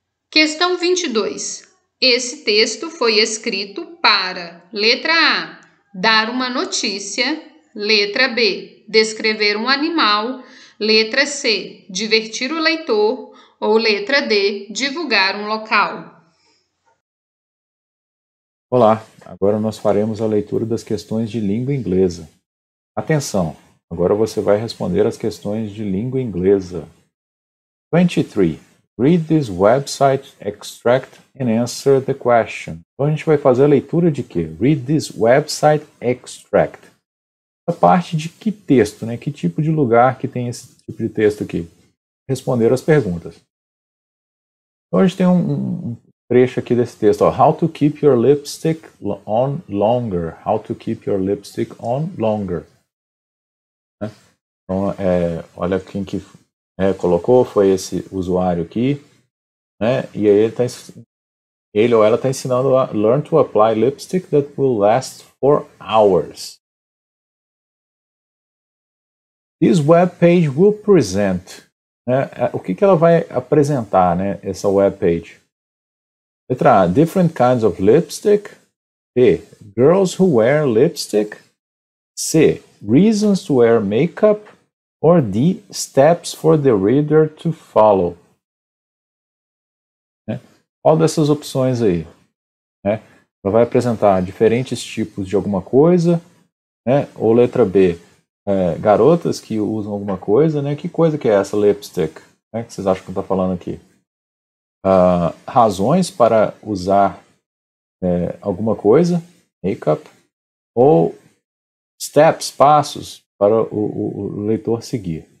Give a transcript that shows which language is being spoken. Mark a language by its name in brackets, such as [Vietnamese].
[Portuguese] Questão 22. Esse texto foi escrito para letra A, dar uma notícia, letra B, descrever um animal, letra C, divertir o leitor, ou letra D, divulgar um local. Olá, agora nós faremos a leitura das questões de língua inglesa. Atenção, agora você vai responder as questões de língua inglesa. 23. [English] Read this website, extract and answer the question. [Portuguese] Então, a gente vai fazer a leitura de quê? [English] Read this website, extract. [Portuguese] A parte de que texto, né? Que tipo de lugar que tem esse tipo de texto aqui? Responder as perguntas. Então, a gente tem um trecho aqui desse texto. [English] Ó. How to keep your lipstick on longer. How to keep your lipstick on longer. Né? [Portuguese] Então, olha quem que... colocou, foi esse usuário aqui, né? E aí ele ou ela está ensinando a [English] learn to apply lipstick that will last for hours. This webpage will present. [Portuguese] Né? O que ela vai apresentar, né? Essa webpage? Letra A, [English] different kinds of lipstick. B, girls who wear lipstick. [Portuguese] C, reasons to wear makeup. Or D, steps for the reader to follow. Né? Qual dessas opções aí? Né? Ela vai apresentar diferentes tipos de alguma coisa, né? Ou letra B, garotas que usam alguma coisa, né? Que coisa que é essa lipstick? Né? Que vocês acham que eu tô falando aqui? Razões para usar alguma coisa, makeup, ou steps, passos, para o leitor seguir.